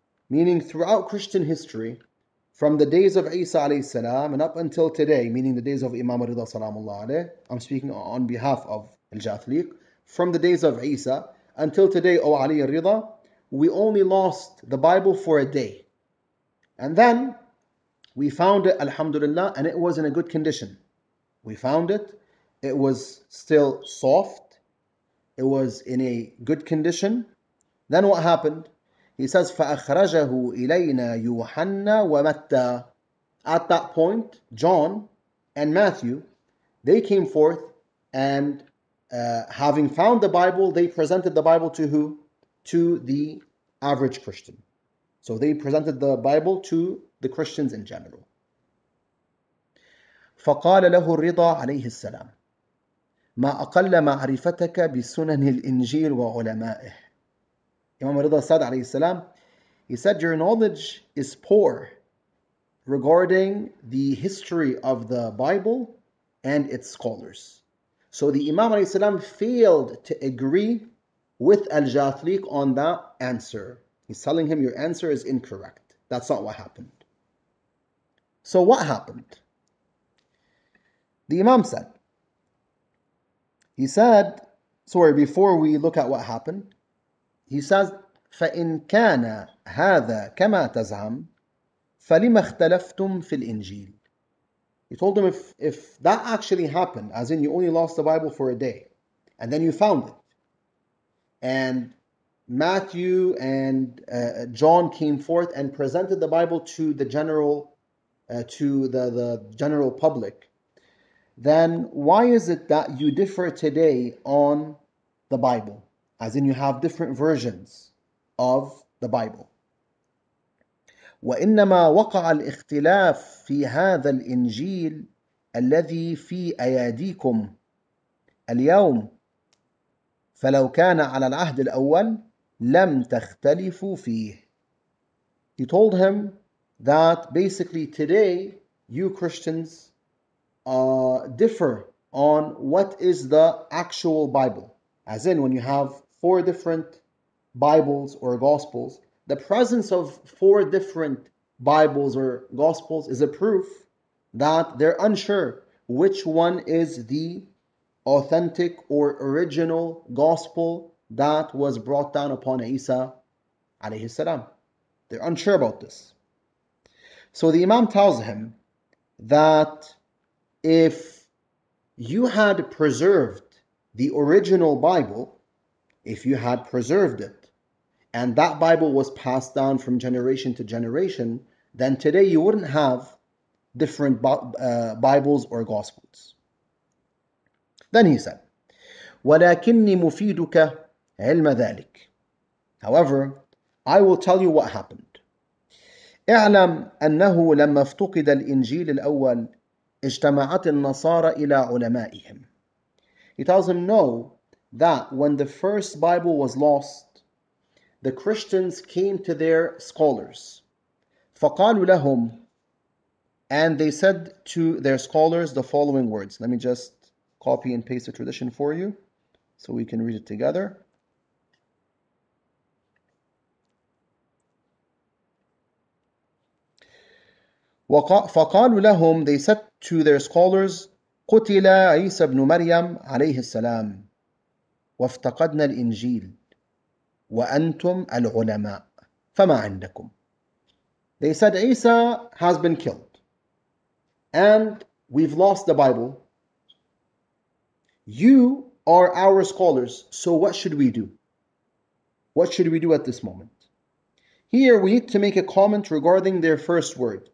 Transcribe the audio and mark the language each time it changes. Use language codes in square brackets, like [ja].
[en] Meaning throughout Christian history, from the days of Isa alayhi salam and up until today, meaning the days of Imam Ridha salamullah alayh, I'm speaking on behalf of Al-Jathliq, from the days of Isa until today, O Ali al-Ridha, we only lost the Bible for a day. And then we found it, alhamdulillah, and it was in a good condition. We found it. It was still soft. It was in a good condition. Then what happened? He says, [ar] فَأَخْرَجَهُ إِلَيْنَا يُوحَنَّا وَمَتَّى. [en] At that point, John and Matthew, they came forth and having found the Bible, they presented the Bible to who? To the average Christian. So they presented the Bible to the Christians in general. [ar] فَقَالَ لَهُ الرِّضَى عَلَيْهِ السَّلَامِ مَا أَقَلَّ مَعْرِفَتَكَ بِسُنَنِ الْإِنْجِيلِ وَعُلَمَائِهِ. [en] Imam Ridha said, alayhi salam, he said, your knowledge is poor regarding the history of the Bible and its scholars. So the Imam, alayhi salam, failed to agree with Al-Jathliq on that answer. He's telling him, your answer is incorrect. That's not what happened. So what happened? The Imam said, before we look at what happened, he says, [ar] فَإِنْ كَانَ هذا كما تزعم فلما اختلفتم في الإنجيل. [en] He told them, if that actually happened, as in you only lost the Bible for a day, and then you found it, and Matthew and John came forth and presented the Bible to the general, to the general public, then why is it that you differ today on the Bible? As in you have different versions of the Bible. [ar] وإنما وقع الاختلاف في هذا الإنجيل الذي في أيديكم اليوم فلو كان على العهد الأول لم تختلفوا فيه. [en] He told him that basically today you Christians differ on what is the actual Bible. As in when you have four different Bibles or Gospels, the presence of four different Bibles or Gospels is a proof that they're unsure which one is the authentic or original Gospel that was brought down upon Isa alayhi salam. They're unsure about this. So the Imam tells him that if you had preserved the original Bible, if you had preserved it, and that Bible was passed down from generation to generation, then today you wouldn't have different Bibles or Gospels. Then he said, [ar] وَلَكِنِّي مُفِيدُكَ عِلْمَ ذَلِكَ. [en] However, I will tell you what happened. [ar] اعلم أنه لما افتقد الإنجيل الأول اجتمعت النصارى إلى علمائهم. [en] He tells him, know that when the first Bible was lost, the Christians came to their scholars. [ar] فقالوا لهم, [en] and they said to their scholars the following words. Let me just copy and paste the tradition for you so we can read it together. [ar] فقالوا لهم, [en] they said to their scholars, [ar] قتل عيسى بن مريم عليه السلام وافتقدنا الإنجيل. وأنتم العلماء فما عندكم. [en] They said Isa has been killed and we've lost the Bible. You are our scholars, so what should we do? What should we do at this moment? Here we need to make a comment regarding their first word.